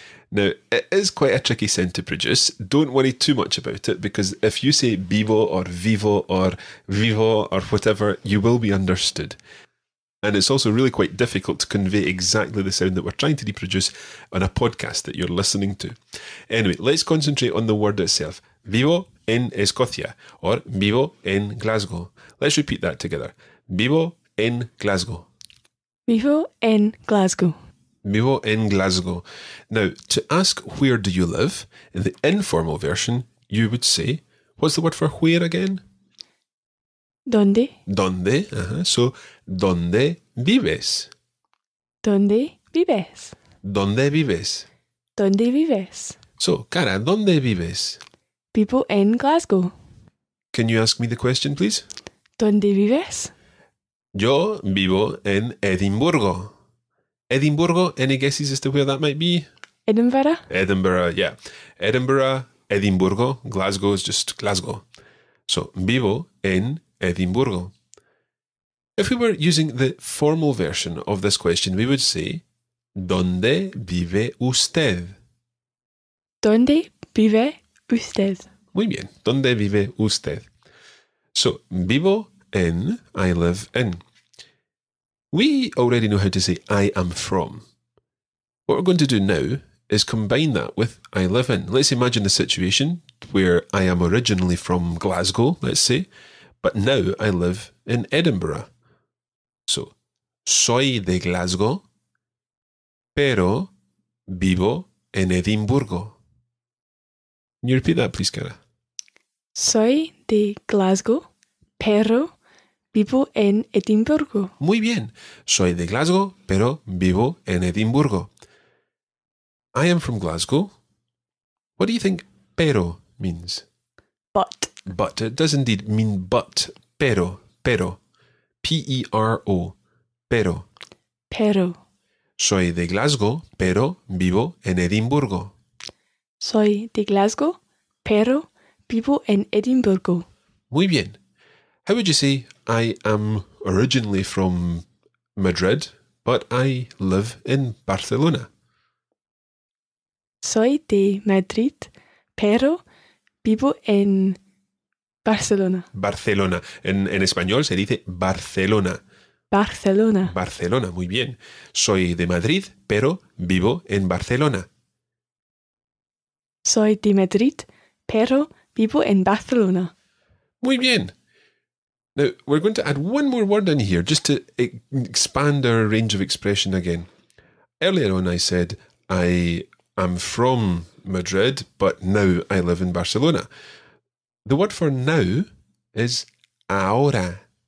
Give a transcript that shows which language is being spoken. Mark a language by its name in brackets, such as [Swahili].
[English] Now, it is quite a tricky sound to produce. Don't worry too much about it, because if you say vivo or vivo or vivo or whatever, you will be understood. And it's also really quite difficult to convey exactly the sound that we're trying to reproduce on a podcast that you're listening to. Anyway, let's concentrate on the word itself. [Spanish] Vivo en Escocia or vivo en Glasgow. [English] Let's repeat that together. [Spanish] Vivo en Glasgow. Vivo en Glasgow. Vivo en Glasgow. [English] Now, to ask where do you live, in the informal version, you would say, what's the word for where again? [Spanish] ¿Dónde? ¿Dónde? Uh-huh. So, ¿dónde vives? ¿Dónde vives? ¿Dónde vives? ¿Dónde vives? So, Cara, ¿dónde vives? Vivo en Glasgow. [English] Can you ask me the question, please? [Spanish] ¿Dónde vives? Yo vivo en Edimburgo. [English] Edimburgo, any guesses as to where that might be? Edinburgh? Edinburgh, yeah. Edinburgh, Edimburgo, Glasgow is just Glasgow. So, vivo en Edimburgo. If we were using the formal version of this question, we would say, [Spanish] ¿dónde vive usted? ¿Dónde vive usted? Muy bien, ¿dónde vive usted? [English] So, [Spanish] vivo en, [English] I live in. We already know how to say I am from. What we're going to do now is combine that with I live in. Let's imagine the situation where I am originally from Glasgow, let's say, but now I live in Edinburgh. [Spanish] So, soy de Glasgow, pero vivo en Edimburgo. [English] Can you repeat that, please, Cara? [Spanish] Soy de Glasgow, pero vivo en Edimburgo. Muy bien. Soy de Glasgow, pero vivo en Edimburgo. [English] I am from Glasgow. What do you think pero means? But. But. It does indeed mean but. Pero. Pero. [Spanish] P-E-R-O. Pero. Pero. Soy de Glasgow, pero vivo en Edimburgo. Soy de Glasgow, pero [English] people in Edinburgh. [Spanish] Muy bien. [English] How would you say I am originally from Madrid, but I live in Barcelona? [Spanish] Soy de Madrid, pero vivo en Barcelona. Barcelona. En español se dice Barcelona. Barcelona. Barcelona, muy bien. Soy de Madrid, pero vivo en Barcelona. Soy de Madrid, pero vivo en Barcelona. Muy bien. [English] Now, we're going to add one more word in here just to expand our range of expression again. Earlier on I said I am from Madrid, but now I live in Barcelona. The word for now is ahora.